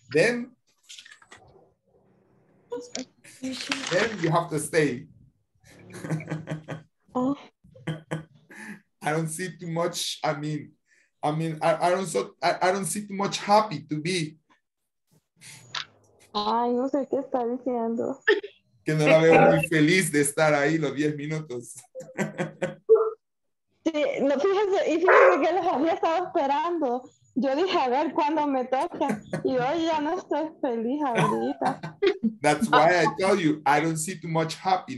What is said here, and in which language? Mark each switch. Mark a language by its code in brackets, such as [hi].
[en] Then you have to stay. Oh. I don't see too much. I don't see too much happy to be. [es] Ay, no sé qué está diciendo. Que no la veo muy feliz de estar ahí los 10 minutos. Sí, no, fíjense que los había estado esperando. Yo dije, a ver, ¿cuándo me toca? Y hoy ya no estoy feliz ahorita. [en] That's why I tell you, I don't see too much happy.